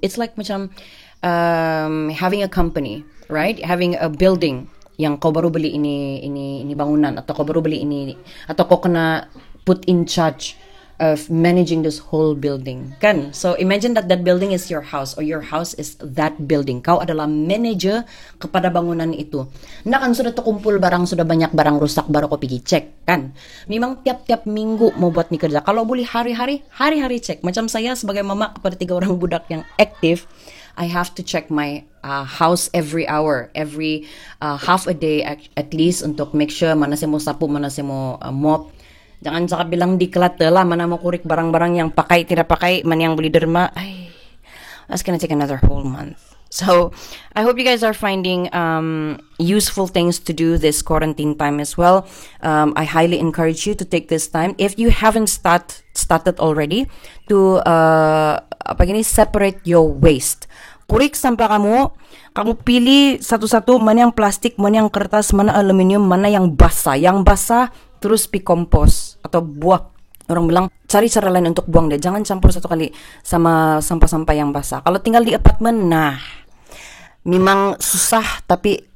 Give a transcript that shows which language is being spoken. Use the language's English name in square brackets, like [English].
[English] It's like macam having a company, right? Having a building. [Malay] Yang kau baru beli ini bangunan, atau kau baru beli ini, atau kau kena [English] put in charge of managing this whole building, [Malay] kan? [English] So imagine that building is your house, or your house is that building. [Malay] Kau adalah manager kepada bangunan itu. Nah kan, sudah terkumpul barang, sudah banyak barang rusak, baru kau pergi cek, kan? Memang tiap-tiap minggu mau buat ni kerja. Kalau boleh hari-hari cek. Macam saya sebagai mama kepada 3 orang budak yang aktif, [English] I have to check my house every hour, every half a day at least, [Malay] untuk [English] make sure [Malay] mana saya mau sapu, mana saya mau mop. Jangan cakap bilang declutter lah, mana mau kurik barang-barang yang pakai, tidak pakai, mana yang boleh derma. [English] That's gonna take another whole month. So, I hope you guys are finding useful things to do this quarantine time as well. I highly encourage you to take this time. If you haven't started already, to separate your waste. [Malay] Kurik sampah kamu. Kamu pilih satu-satu, mana yang plastik, mana yang kertas, mana aluminium, mana yang basah. Yang basah, terus pikompos atau buah. Orang bilang, cari cara lain untuk buang deh. Jangan campur satu kali sama sampah-sampah yang basah. Kalau tinggal di apartemen, nah, memang susah, tapi